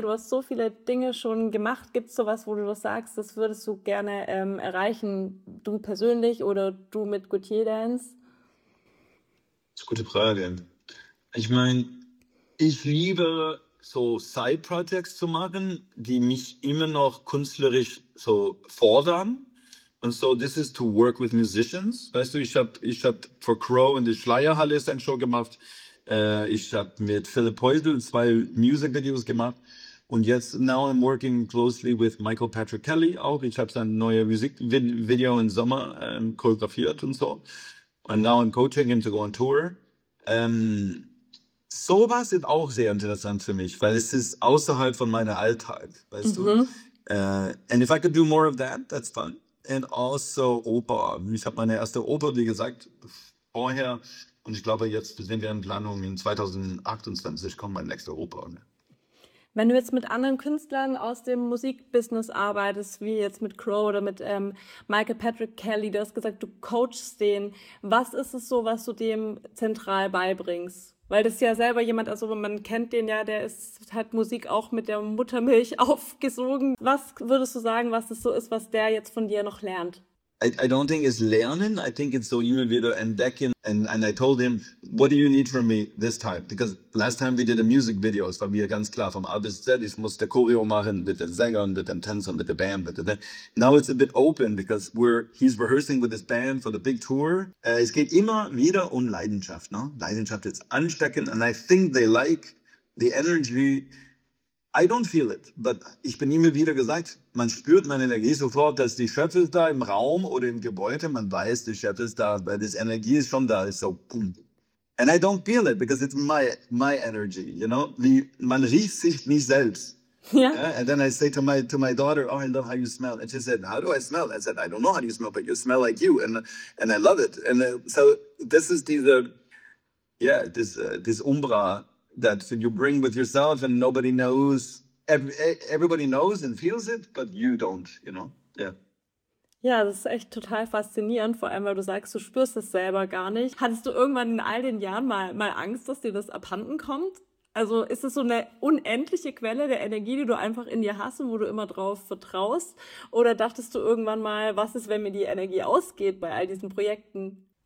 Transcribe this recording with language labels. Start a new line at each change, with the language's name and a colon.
German: Du hast so viele Dinge schon gemacht. Gibt's sowas, wo du das sagst, das würdest du gerne erreichen? Du persönlich oder du mit Gautier Dance? Das ist eine gute Frage. Ich meine, ich liebe so Side-Projects zu machen, die mich immer noch künstlerisch so fordern. Und so,
English: this is to work with musicians.
German: Weißt du, ich hab für Crow in der Schleierhalle ein Show gemacht. Ich habe mit Philipp Heusel 2 Music Videos gemacht und jetzt
English: now I'm working closely with
German: Michael Patrick Kelly auch. Ich habe sein neues Musikvideo im Sommer choreografiert und so.
English: And now I'm coaching him to go on tour.
German: Sowas ist auch sehr interessant für mich, weil es ist außerhalb von meinem Alltag, weißt du.
English: And if I could do more of that, that's fun. And also Oper.
German: Ich habe meine erste Oper, wie gesagt, vorher. Und ich glaube, jetzt sind wir in Planung, in 2028 kommt mein nächster Oper. Wenn du jetzt mit anderen Künstlern aus dem Musikbusiness arbeitest, wie jetzt mit Crow oder mit Michael Patrick Kelly, du hast gesagt, du coachst den. Was ist es so, was du dem zentral beibringst? Weil das ist ja selber jemand, also man kennt den ja, der ist halt Musik auch mit der Muttermilch aufgesogen. Was würdest du sagen, was es so ist, was der jetzt von dir noch lernt?
English: I don't think it's learning. I think it's
German: so immer wieder entdecken.
English: And I told him, what do you need from me this time? Because last time we did a music video,
German: es war mir ganz klar vom A bis Z, ich muss der Choreo machen mit den Sängern, mit den Tänzern, mit der Band.
English: Now it's a bit open because he's rehearsing with his band for the big tour.
German: Es geht immer wieder um Leidenschaft.
English: No?
German: Leidenschaft ist ansteckend.
English: And I think they like the energy. I don't feel it, but
German: ich bin immer wieder gesagt, man spürt meine Energie sofort, dass die Chef ist da im Raum oder im Gebäude. Man weiß, die Chef ist da, weil die Energie ist schon da. Ist so, boom.
English: And I don't feel it, because it's my energy, you know?
German: Wie, man riecht sich nicht selbst.
English: Yeah. Yeah. And then I say to my daughter, oh, I love how you smell. And she said, how do I smell? I said, I don't know how you smell, but you smell like you. And I love it. And so this is this Umbra that you bring with yourself and nobody knows. Everybody knows and feels it, but you don't, you know? Yeah.
German: Ja, das ist echt total faszinierend, vor allem, weil du sagst, du spürst es selber gar nicht. Hattest du irgendwann in all den Jahren mal Angst, dass dir das abhanden kommt? Also ist es so eine unendliche Quelle der Energie, die du einfach in dir hast und wo du immer drauf vertraust? Oder dachtest du irgendwann mal, was ist, wenn mir die Energie ausgeht bei all diesen Projekten?